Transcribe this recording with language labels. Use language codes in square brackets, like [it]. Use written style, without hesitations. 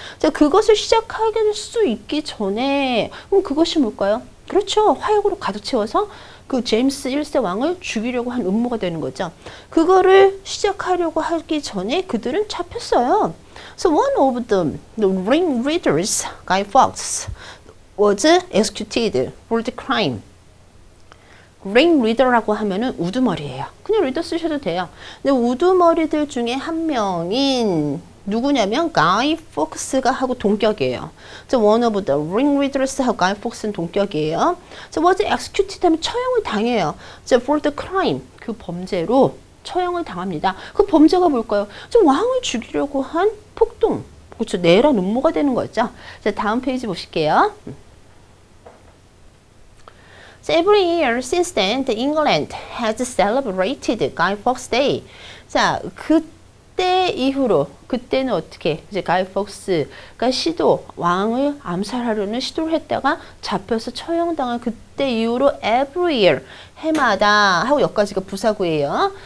[ko] 자, 그것을 시작하게 될 수 있기 전에 그럼 그것이 뭘까요? 그렇죠. 화약으로 가득 채워서 그 제임스 1세 왕을 죽이려고 한 음모가 되는 거죠. 그거를 시작하려고 하기 전에 그들은 잡혔어요. [en] So one of them, the ringleaders, Guy Fawkes, was executed for the crime. [ko] ringleader라고 하면은 우두머리예요. 그냥 리더 쓰셔도 돼요. 근데 우두머리들 중에 한 명인 누구냐면 Guy Fawkes가 하고 동격이에요. [en] So one of the ringleaders [ko] 하고 Guy Fawkes는 동격이에요. [en] So was executed [ko] 하면 처형을 당해요. [en] So for the crime [ko] 그 범죄로 처형을 당합니다. 그 범죄가 뭘까요? 좀 왕을 죽이려고 한 폭동. 그렇죠. 내란 음모가 되는 거죠. 자, 다음 페이지 보실게요. [en] So every year since then, the England has celebrated Guy Fawkes Day. [ko] 자, 그때 이후로, 그때는 어떻게, 이제 Guy Fawkes가 시도, 왕을 암살하려는 시도를 했다가 잡혀서 처형당한 그때 이후로 [en] every year, [ko] 해마다, 하고 여기까지가 부사구예요.